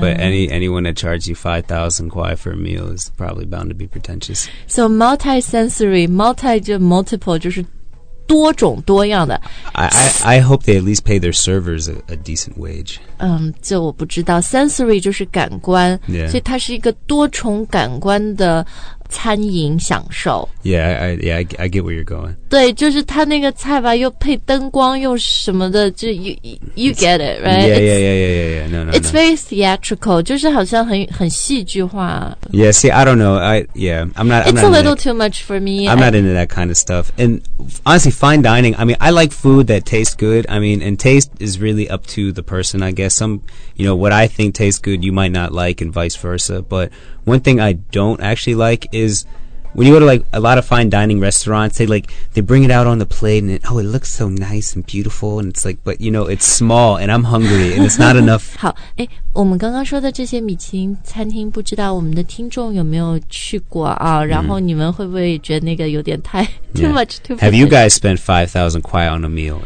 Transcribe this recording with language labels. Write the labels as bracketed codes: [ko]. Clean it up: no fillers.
[en] But anyone that charges you 5,000 kuai for a meal is probably bound to be pretentious So multi-sensory multi [zh] 就 multiple 就是多种多样的 [en] I hope they at least pay their servers a decent wage [zh] 这我不知道 sensory 就是感官、 [en] yeah. [zh] 所以它是一个多重感官的餐饮享受 [en] Yeah, I get where you're going [zh] 对就是它那个菜吧又配灯光又什么的就 [en] you get it, right? Yeah, no. It's very theatrical [zh] 就是好像很戏剧化 [en] Yeah, see, I don't know I'm not It's a little too much for me I'm not into that kind of stuff And honestly, fine dining I mean, I like food that tastes good I mean, and taste is really up to the person I guess some, you know, what I think tastes good you might not like and vice versa butOne thing I don't actually like is when you go to like a lot of fine dining restaurants, they like they bring it out on the plate and it looks so nice and beautiful. And it's like, but you know, it's small and I'm hungry and it's not enough. [zh] 好，哎，我们刚刚说的这些米其林餐厅，不知道我们的听众有没有去过啊？然后你们会不会觉得那个有点太 [en] too much? Too Have you guys spent 5,000 kuai on a meal?